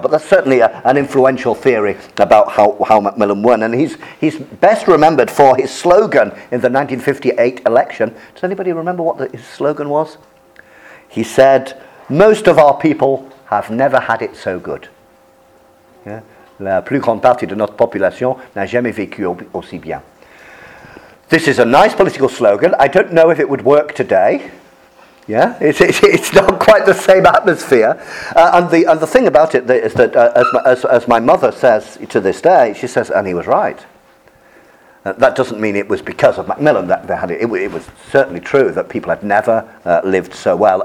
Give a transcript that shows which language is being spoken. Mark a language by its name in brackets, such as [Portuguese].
[English] But that's certainly an influential theory about how Macmillan won. And he's best remembered for his slogan in the 1958 election. Does anybody remember what his slogan was? He said, most of our people have never had it so good. Yeah? [French] La plus grande partie de notre population n'a jamais vécu aussi bien. [English] This is a nice political slogan. I don't know if it would work today. Yeah, it's not quite the same atmosphere. And the thing about it is that, as my mother says to this day, she says, and he was right. That doesn't mean it was because of Macmillan that they had it. It was certainly true that people had never lived so well.